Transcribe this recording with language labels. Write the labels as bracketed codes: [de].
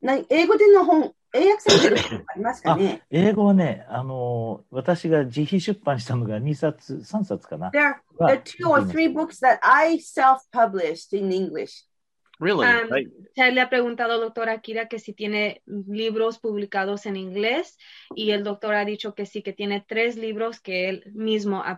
[ja] 英語での本。英訳されてる本ありますかね。英語はね、私が自費出版したのが2冊、3冊かな。 [en] There are two or three books that I self-published in English. Really? [es] Se le ha preguntado al doctor Akira que si tiene libros publicados en inglés, y el doctor ha dicho que sí, que tiene tres libros que él mismo ha